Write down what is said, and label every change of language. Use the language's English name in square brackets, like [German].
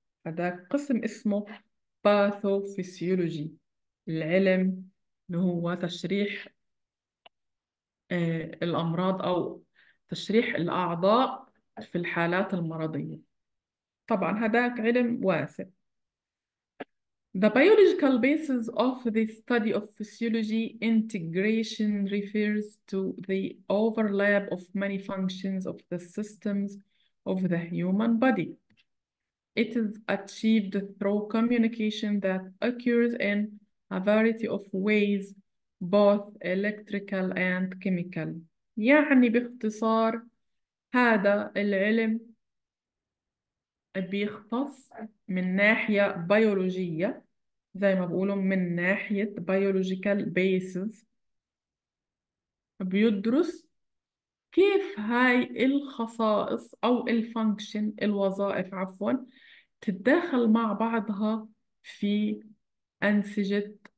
[Arabic] هذا قسم اسمه باثوفيسيولوجي، العلم اللي هو تشريح الأمراض أو تشريح الأعضاء في الحالات المرضية. طبعا هذاك علم واسع. [English] The biological basis of the study of physiology integration refers to the overlap of many functions of the systems of the human body. It is achieved through communication that occurs in a variety of ways, both electrical and chemical. [Arabic] يعني باختصار، هذا العلم بيختص من ناحية بيولوجية، زي ما بقولوا من ناحية biological basis، بيدرس كيف هاي الخصائص أو الفانكشن الوظائف عفوا تتداخل مع بعضها في أنسجة